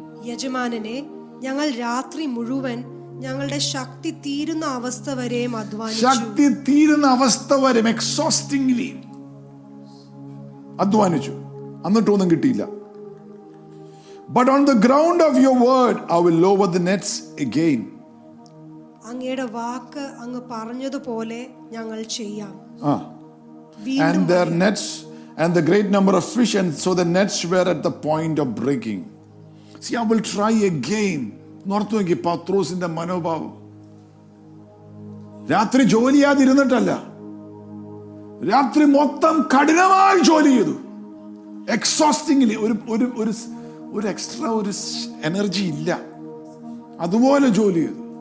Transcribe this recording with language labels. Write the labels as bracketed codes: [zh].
[ml] യജമാനനെ, ഞങ്ങൾ രാത്രി മുഴുവൻ ഞങ്ങളുടെ ശക്തി തീരുന്ന അവസ്ഥ വരെയും അധ്വാനിച്ചു. ശക്തി തീരുന്ന അവസ്ഥ വരെയും എക്സോസ്റ്റിംഗ്ലി അധ്വാനിച്ചു, എന്നിട്ടൊന്നും കിട്ടിയില്ല. [en] But on the ground of your word, I will lower the nets again. [ml] അങ്ങയുടെ വാക്ക് അങ്ങ് പറഞ്ഞതുപോലെ ഞങ്ങൾ ചെയ്യാം. [en] And their nets and the great number of fish, and so the nets were at the point of breaking. See, I will try again. [ml] നോർത്തുവെങ്കിൽ പത്രോസിന്റെ മനോഭാവം, രാത്രി ജോലിയാതിരുന്നിട്ടല്ല, രാത്രി മൊത്തം കഠിനമായി ജോലി ചെയ്തു, എക്സോസ്റ്റിംഗ്ലി. ഒരു എക്സ്ട്രാ ഒരു എനർജി ഇല്ല, അതുപോലെ ജോലി ചെയ്തു.